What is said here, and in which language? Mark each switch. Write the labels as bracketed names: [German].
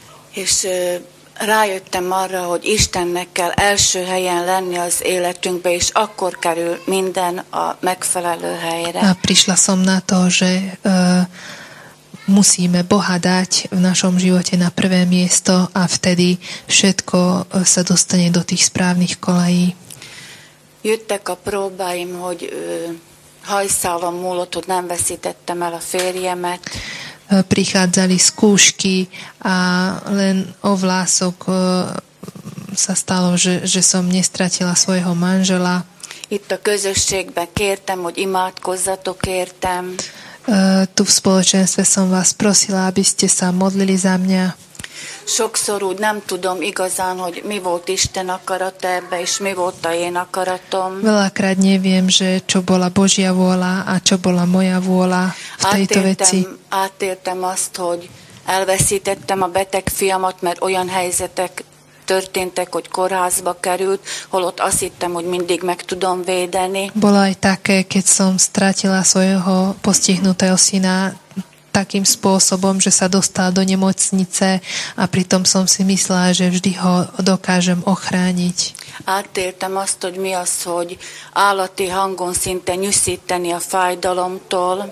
[Hungarian] És rájöttem arra, hogy Istennek kell első helyen lenni az életünkbe, és akkor kerül minden a megfelelő helyre. [Slovak] A prišla som na to, že musíme Boha dať v našom živote na prvé miesto a vtedy všetko sa dostane do tých správnych kolají. [Hungarian] Jöttek a próbáim, hogy hajszálom múlott, hogy nem veszítettem el a férjemet. [Slovak] Prichádzali skúšky a len o vlások sa stalo, že som nestratila svojho manžela. [Hungarian] Itt a közösségben kértem, hogy imádkozzatok értem. [Slovak] Tu v spoločenstve som vás prosila, aby ste sa modlili za mňa. [Hungarian] Sokszor úgy nem tudom igazán, hogy mi volt Isten akarata ebbe, és mi volt a én akaratom. [Slovak] Veľakrát neviem, že čo bola Božia vôľa a čo bola moja vôľa v tejto [Hungarian] átértem, [Slovak] veci. [Hungarian] Átértem azt, hogy elveszítettem a beteg fiamat, mert olyan helyzetek történtek, hogy kórházba került, holott azt hittem, hogy mindig meg tudom védeni. [Slovak] Bola aj také, keď som stratila svojho postihnutého syna takým spôsobom, že sa dostal do nemocnice a pritom som si myslela, že vždy ho dokážem ochrániť. [Hungarian] Átértem azt, hogy mi az, hogy állati hangon szinte nyüsszíteni a fájdalomtól.